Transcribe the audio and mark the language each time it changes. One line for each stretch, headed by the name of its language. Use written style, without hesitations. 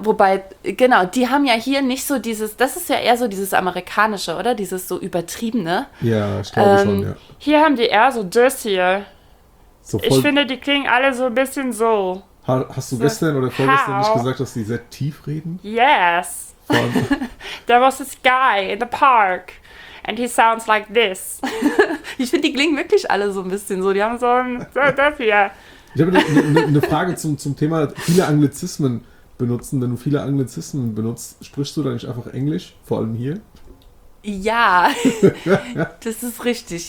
German: Wobei, genau, die haben ja hier nicht so dieses, das ist ja eher so dieses Amerikanische, oder? Dieses so Übertriebene. Ja, ich glaube schon, ja. Hier haben die eher so das hier. So voll, ich finde, die klingen alle so ein bisschen so. Hast du so gestern oder vorgestern nicht gesagt, dass die sehr tief reden?
English: Yes. There was this guy in the park and he sounds like this.
German: Ich finde, die klingen wirklich alle so ein bisschen so. Die haben so ein, so das hier. Ich habe eine Frage zum Thema viele Anglizismen benutzen. Wenn du viele Anglizismen benutzt, sprichst du da nicht einfach Englisch, vor allem hier? Ja, das ist richtig.